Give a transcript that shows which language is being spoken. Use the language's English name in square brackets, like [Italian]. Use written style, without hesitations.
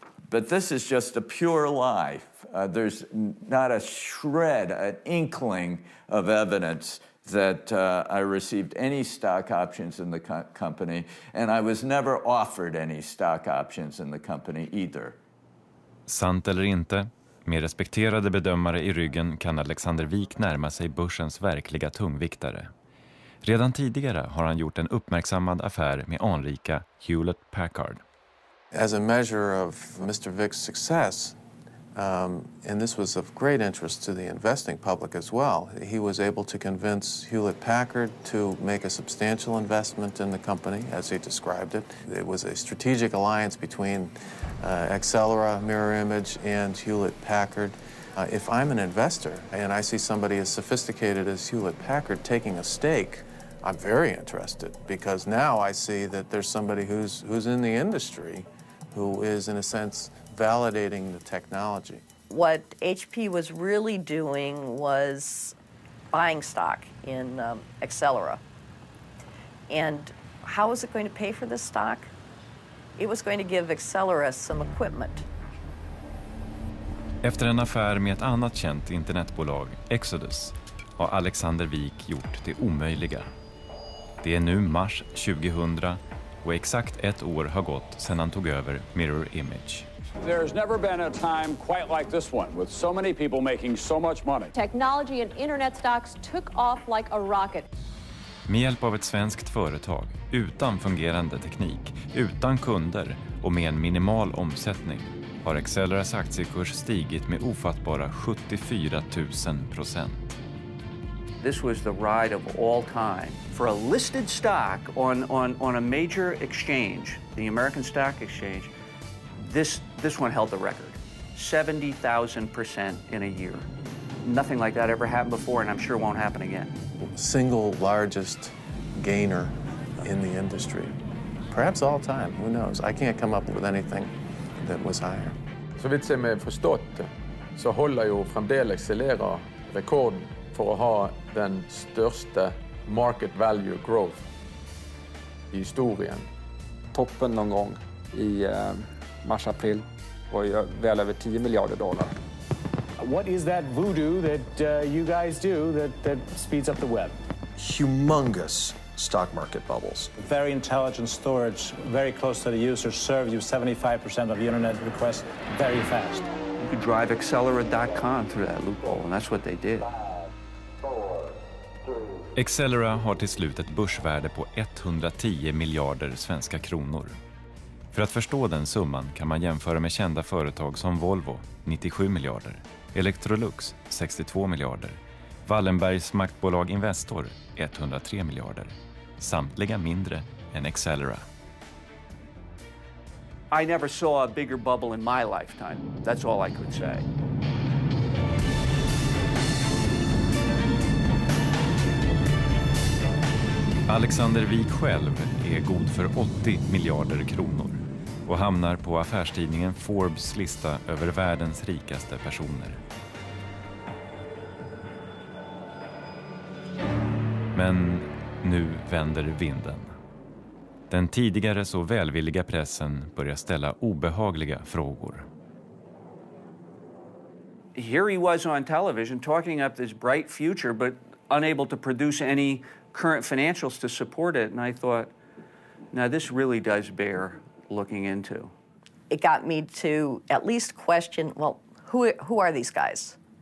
[English] But this is just a pure lie. There's not a shred, an inkling of evidence that I received any stock options in the company, and I was never offered any stock options in the company either. [Swedish] Sant eller inte, med respekterade bedömare i ryggen kan Alexander Wik närma sig börsens verkliga tungviktare. Redan tidigare har han gjort en uppmärksammad affär med anrika Hewlett Packard. [English] As a measure of Mr. Wik's success, and this was of great interest to the investing public as well, he was able to convince Hewlett Packard to make a substantial investment in the company, as he described it. It was a strategic alliance between Accelera, Mirror Image, and Hewlett Packard. If I'm an investor and I see somebody as sophisticated as Hewlett-Packard taking a stake, I'm very interested, because now I see that there's somebody who's in the industry who is, in a sense, validating the technology. What HP was really doing was buying stock in Accelera. And how was it going to pay for this stock? It was going to give Accelera some equipment. [Swedish] Efter en affär med ett annat känt internetbolag, Exodus, har Alexander Wik gjort det omöjliga. Det är nu mars 2000 och exakt ett år har gått sedan han tog över Mirror Image. [English] There has never been a time quite like this one, with so many people making so much money. Technology and internet stocks took off like a rocket. [Swedish] Med hjälp av ett svenskt företag, utan fungerande teknik, utan kunder och med en minimal omsättning, har Acceleras aktiekurs stigit med ofattbara 74,000%. [English] This was the ride of all time. For a listed stock on a major exchange, the American Stock Exchange, this one held the record. 70,000% in a year. Nothing like that ever happened before, and I'm sure won't happen again. Single largest gainer in the industry. Perhaps all time, who knows? I can't come up with anything that was higher. [Swedish] Så vitt som jag förstått så håller ju framdeles Accelera rekord för att ha den största [English] market value growth [Swedish] i historien. Toppen någon gång i mars-april var ju väl över 10 miljarder dollar. [English] What is that voodoo that you guys do that speeds up the web? Humongous stock market bubbles. Very intelligent storage, very close to the user, serve you 75% of the internet requests very fast. You could drive Accelera.com through that loophole, and that's what they did. [Swedish] Accelera har till slut ett börsvärde på 110 miljarder svenska kronor. För att förstå den summan kan man jämföra med kända företag som Volvo, 97 miljarder, Electrolux, 62 miljarder, Wallenbergs maktbolag Investor, 103 miljarder. Samtliga mindre än Accelera. [English] I never saw a bigger bubble in my lifetime. That's all I could say. [Swedish] Alexander Wik själv är god för 80 miljarder kronor och hamnar på affärstidningen Forbes lista över världens rikaste personer. Men nu vänder vinden. Den tidigare så välvilliga pressen börjar ställa obehagliga frågor. [English] Here he was on television talking up this bright future, but unable to produce any current financials to support it. And I thought, now this really does bear looking into. It got me to at least question, well, who are these guys?